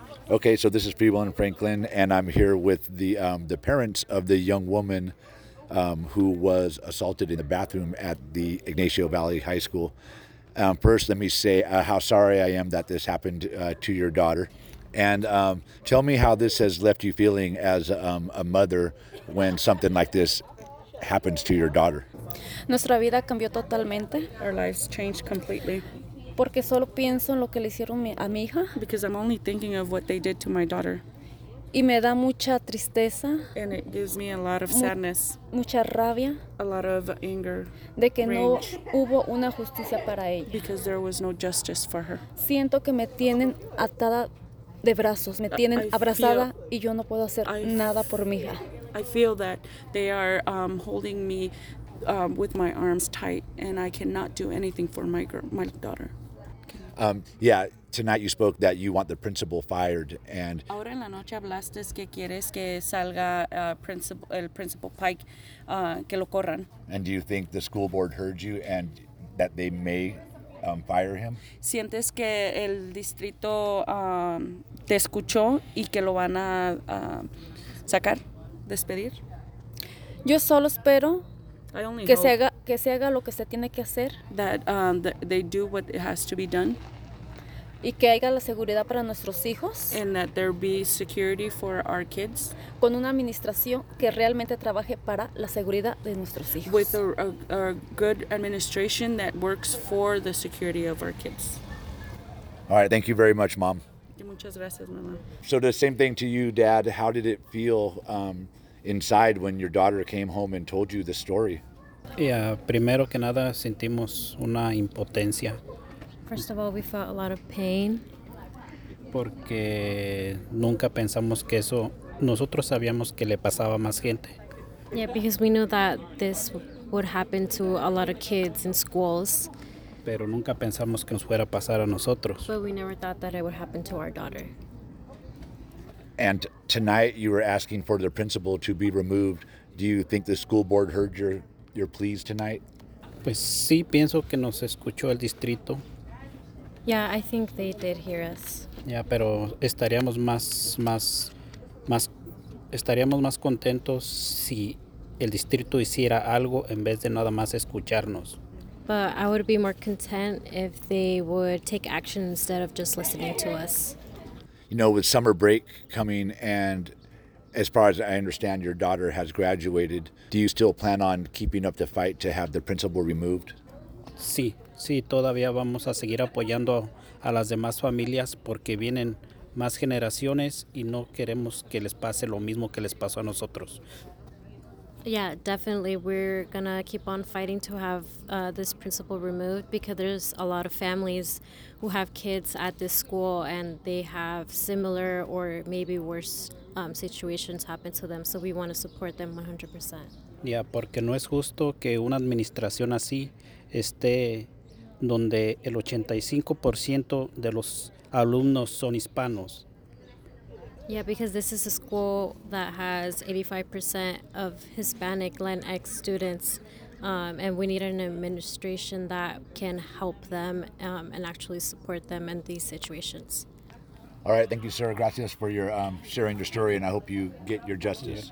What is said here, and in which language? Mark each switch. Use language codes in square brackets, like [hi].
[en] Okay, so this is Feeble and Franklin, and I'm here with the parents of the young woman who was assaulted in the bathroom at the Ygnacio Valley High School. First, let me say how sorry I am that this happened to your daughter. And tell me how this has left you feeling as a mother when something like this happens to your daughter. [es] Nuestra vida cambió totalmente. [en] Our lives changed completely. [es] Porque solo pienso en lo que le hicieron a mi hija. [en] Because I'm only thinking of what they did to my daughter. [es] Y me da mucha tristeza. [en] And it gives me a lot of sadness. [es] Mucha rabia. [en] A lot of anger. [es] De que no hubo una justicia para ella. [en] Because there was no justice for her. [es] Siento que me tienen atada de brazos, me tienen abrazada y yo no puedo hacer nada por mi hija. [en] I feel that they are holding me with my arms tight and I cannot do anything for my daughter. Yeah, tonight you spoke that you want the principal fired and... [es] Ahora en la noche hablaste que quieres que salga el principal Pike, que lo corran. [en] And do you think the school board heard you and that they may... fire him? [es] ¿Sientes que el distrito te escuchó y que lo van a sacar, despedir? Yo solo espero [en] I only [es] que [en] hope. [es] Se haga que se haga lo que se tiene que hacer. [en] That, that they do what has to be done. [es] Y que haya la seguridad para nuestros hijos. [en] And that there be security for our kids. [es] Con una administración que realmente trabaje para la seguridad de nuestros hijos. [en] With a good administration that works for the security of our kids. All right, thank you very much, Mom. [es] Muchas gracias, Mama. [en] So the same thing to you, Dad. How did it feel inside when your daughter came home and told you the story? [es] Yeah, primero que nada sentimos una impotencia. [en] First of all, we felt a lot of pain. [es] Porque nunca pensamos que eso, nosotros sabíamos que le pasaba a más gente. [en] Yeah, because we knew that this would happen to a lot of kids in schools. [es] Pero nunca pensamos que nos fuera a pasar a nosotros. [en] But we never thought that it would happen to our daughter. And tonight you were asking for the principal to be removed. Do you think the school board heard your pleas tonight? [es] Pues sí, pienso que nos escuchó el distrito. [en] Yeah, I think they did hear us. [es] Yeah, pero estaríamos más contentos si el distrito hiciera algo en vez de nada más escucharnos. [en] But I would be more content if they would take action instead of just listening to us. You know, with summer break coming, and as far as I understand, your daughter has graduated. Do you still plan on keeping up the fight to have the principal removed? [es] Sí, sí, todavía vamos a seguir apoyando a las demás familias porque vienen más generaciones y no queremos que les pase lo mismo que les pasó a nosotros. [en] Yeah, definitely. We're going to keep on fighting to have this principal removed because there's a lot of families who have kids at this school and they have similar or maybe worse situations happen to them. So we want to support them 100%. [es] Yeah, porque no es justo que una administración así esté donde el 85% de los alumnos son hispanos. [en] Yeah, because this is a school that has 85% of Hispanic Latinx students, and we need an administration that can help them and actually support them in these situations. All right, thank you, Sarah. Gracias for your sharing your story, and I hope you get your justice.